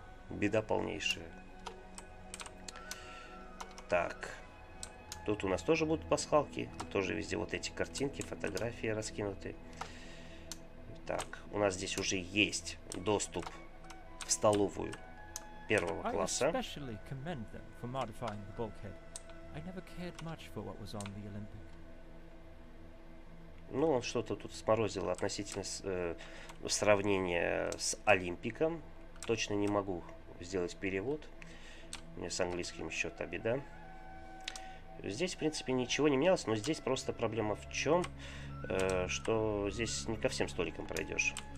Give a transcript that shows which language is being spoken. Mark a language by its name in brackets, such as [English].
[Russian] Беда полнейшая. Так, тут у нас тоже будут пасхалки, тоже везде вот эти картинки, фотографии раскинуты. Так, у нас здесь уже есть доступ в столовую первого класса. [English] I especially commend them for modifying the bulkhead. I never cared much for what was on the Olympic. [Russian] Ну, он что-то тут сморозил относительно сравнения с Олимпиком. Точно не могу сделать перевод. У меня с английским счета беда. Здесь, в принципе, ничего не менялось, но здесь просто проблема в чем, что здесь не ко всем столикам пройдешь.